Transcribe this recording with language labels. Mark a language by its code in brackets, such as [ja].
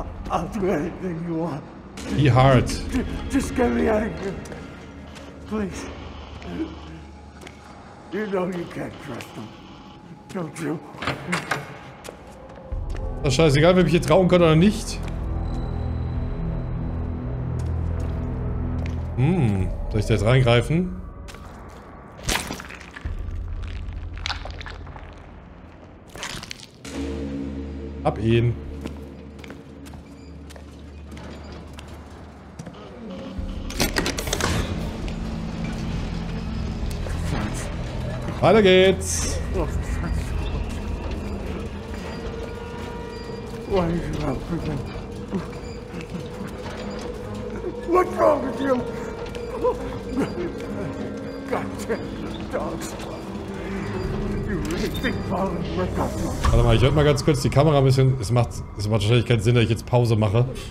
[en] I'll do anything you want. Be hard. Just get me out of here. Please. You know you can't trust them. Don't you? [de] Das ist scheißegal, wenn ich jetzt trauen kann oder nicht. Soll ich da jetzt reingreifen? Hab ihn. Weiter geht's. [en] Why are you out for them? What's wrong with you? Goddamn dogs. You really think falling for God's [de] love? Warte mal, ich hör mal ganz kurz die Kamera ein bisschen. Es macht wahrscheinlich keinen Sinn, dass ich jetzt Pause mache.